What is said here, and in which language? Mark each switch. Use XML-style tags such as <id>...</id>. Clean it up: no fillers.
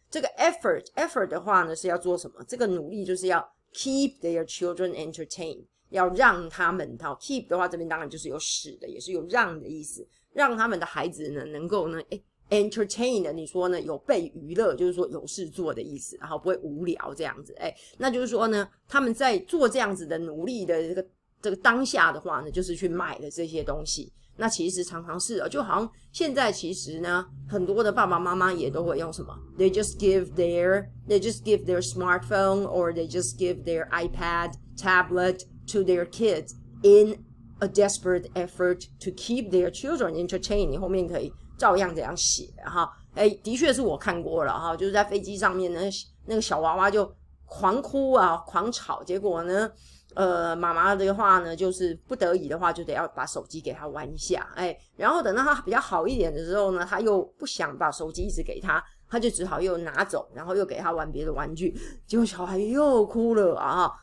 <zh>这个 effort 的话呢是要做什么，这个努力就是要</zh> <en>keep their children entertained，</en> <zh>要让他们，好， keep 的话这边当然就是有使的，也是有让的意思，让他们的孩子呢能够呢entertained， 你说呢有被娱乐，就是说有事做的意思，然后不会无聊这样子。哎，那就是说呢他们在做这样子的努力的这个当下的话呢，就是去买的这些东西。那其实常常是，就好像现在其实呢很多的爸爸妈妈也都会用什么，</zh> <en>they just give their smartphone or they just give their iPad tablet to their kids in a desperate effort to keep their children entertained。</en> <zh>你后面可以照样怎样写哈。欸，的确是我看过了哈，就是在飞机上面呢那个小娃娃就狂哭啊狂吵，结果呢妈妈的话呢就是不得已的话就得要把手机给他玩一下。欸，然后等到他比较好一点的时候呢，他又不想把手机一直给他，他就只好又拿走，然后又给他玩别的玩具，结果小孩又哭了啊哈。</zh>